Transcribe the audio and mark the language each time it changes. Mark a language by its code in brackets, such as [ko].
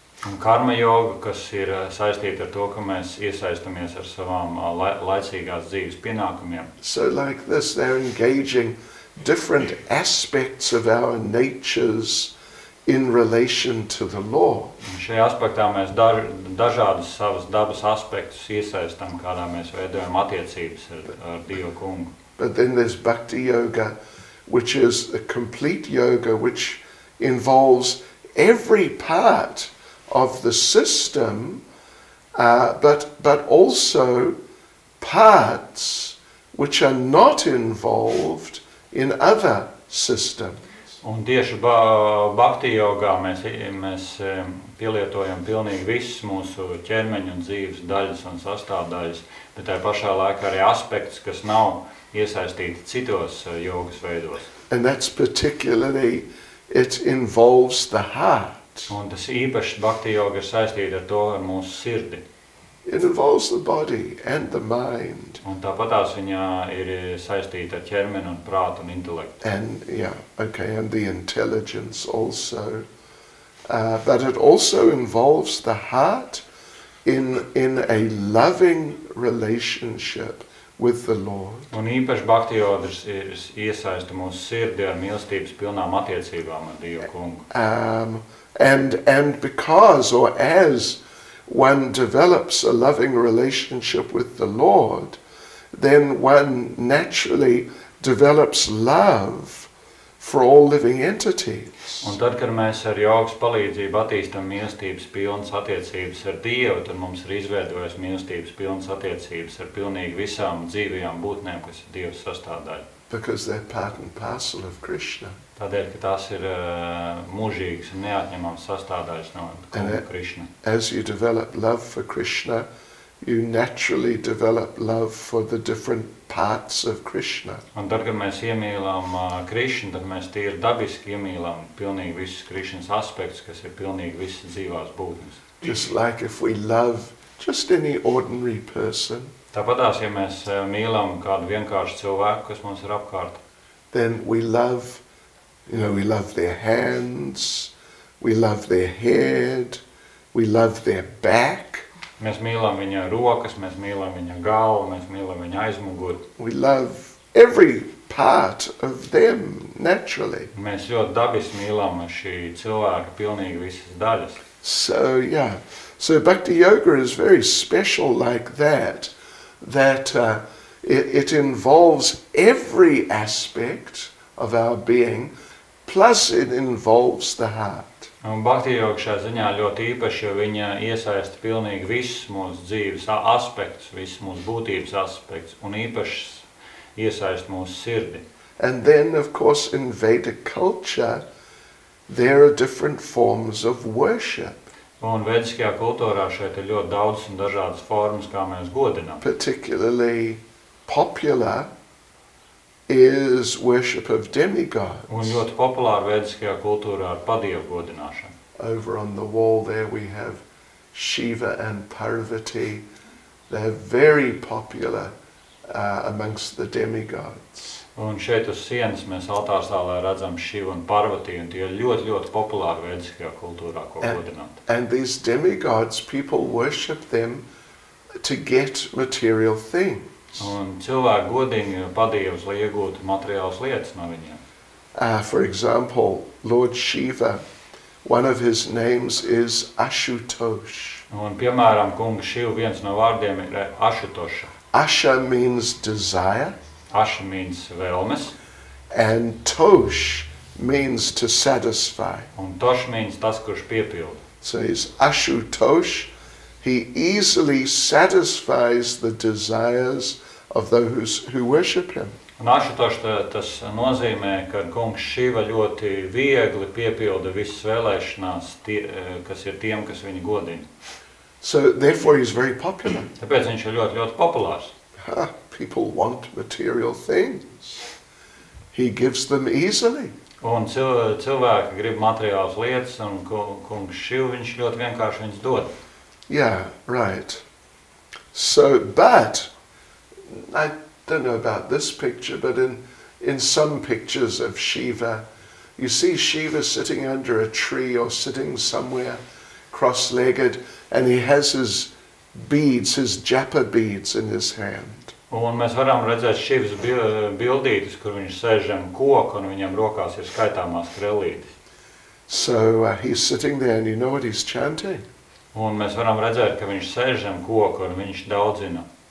[lv] Un karma yoga, kas ir saistīta ar to, ka mēs iesaistamies ar savām laicīgās dzīves pienākumiem. [en] So like this, they're engaging different aspects of our natures in relation to the law. [lv] Šajā aspektā mēs dažādas savas dabas aspektus iesaistam, kādā mēs veidojam attiecības ar Dievu Kungu. [en] But then there's bhakti yoga, which is a complete yoga which involves every part of the system, but also parts which are not involved in other systems. [lv] Un tieši bhakti jogā mēs pielietojam pilnīgi visus mūsu ķermeņa un dzīves daļas un sastāvdaļas, bet tajā pašā laikā arī aspekts, kas nav iesaistīti citos jogas veidos. [en] And that's particularly, it involves the heart. [lv] Un tas īpašs bhakti yoga ir saistīts ar to, ar mūsu sirdi. [en] It involves the body and the mind. [lv] Un tāpatās viņā ir saistīta ar ķermeni un prātu un intelektu. [en] And yeah, okay, and the intelligence also. But it also involves the heart in a loving relationship with the Lord. [lv] Un īpašs bhakti yoga ir iesaista mūsu sirdi ar mīlestības pilnām attiecībām ar Dievu Kungu. [en] And because or as one develops a loving relationship with the Lord, then one naturally develops love for all living entities. [lv] Un tad, kad mēs ar jogas palīdzību attīstam mīlestības pilnas attiecības ar Dievu, tad mums ir izveidojas mīlestības pilnas attiecības ar pilnīgi visām dzīvajām būtnēm, kas ir Dieva sastāvdaļa. [en] Because they're part and parcel of Krishna. [lv] Tādēļ, ka tās ir mūžīgas un neatņemamas sastāvdaļas no Krishna. [en] As you develop love for Krishna, you naturally develop love for the different parts of Krishna. [lv] Un tad, kad mēs iemīlām Krishna, tad mēs tie ir dabiski iemīlām pilnīgi visus Krishnas aspektus, kas ir pilnīgi visas dzīvās būtnes. [en] Just like if we love just any ordinary person. [lv] Tāpatās, ja mēs mīlam kādu vienkāršu cilvēku, kas mums ir apkārt, [en] then we love, you know, we love their hands, we love their head, we love their back. [lv] Mēs mīlam viņa rokas, mēs mīlam viņa galvu, mēs mīlam viņa aizmuguri. [en] We love every part of them naturally. [lv] Mēs ļoti dabiski mīlam šī cilvēka pilnīgi visas daļas. [en] So, yeah. So bhakti yoga is very special like that. That it involves every aspect of our being, plus it involves the heart. [lv] Un bhakti yoga šajā ziņā ļoti īpaši, jo viņa iesaista pilnīgi visus mūsu dzīves aspektus, visus mūsu būtības aspektus, un īpaši iesaista mūsu sirdi. [en] And then, of course, in Vedic culture, there are different forms of worship. [lv] Un vediskajā kultūrā šeit ir ļoti daudz un dažādas formas, kā mēs godinām. [en] Particularly popular is worship of demigods. [lv] Un ļoti populāra vediskajā kultūrā ir padievu godināšana. [en] Over on the wall there we have Shiva and Parvati. They're very popular amongst the demigods. [lv] Un šeit uz sienas mēs altārsālē redzam Šivu un Parvati, un tie ir ļoti, ļoti populāri vediskajā kultūrā, ko godināt. [en] And these demigods, people worship them to get material things. [lv] Un cilvēki godīgi padievus, lai iegūtu materiālas lietas no viņiem. [en] For example, Lord Shiva, one of his names is Ashutosh. [lv] Un piemēram, kunga Šivu viens no vārdiem ir Ashutosha. [en] Asha means desire. Asha means wellness. And tosh means to satisfy. [lv] Un tosh [en] means [lv] tas, kurš piepilda. [en] So he's Ashutosh. He easily satisfies the desires of those who worship him. [lv] Un Ashutosh tas nozīmē, ka kungs Šiva ļoti viegli piepilda visas vēlēšanās, kas ir tiem, kas viņu godina. [en] So therefore he's very popular. [lv] Tāpēc viņš ir ļoti, ļoti populārs. [en] People want material things. He gives them easily. [lv] Un cilvēki grib materiālas lietas, un kungs Šiv, viņš ļoti vienkārši viņus dod. [en] Yeah, right. So, but, I don't know about this picture, but in some pictures of Shiva, You see Shiva sitting under a tree or sitting somewhere cross-legged, and he has his beads, his japa beads in his hand. [lv] Un mēs varam redzēt Šīvas bildītes, kur viņš sēž zem koka, un viņam rokās ir skaitāmās krellītes. [en] So he's sitting there, and you know what he's chanting? [lv] Un mēs varam redzēt, ka viņš sēž zem koka, un viņš daudzina.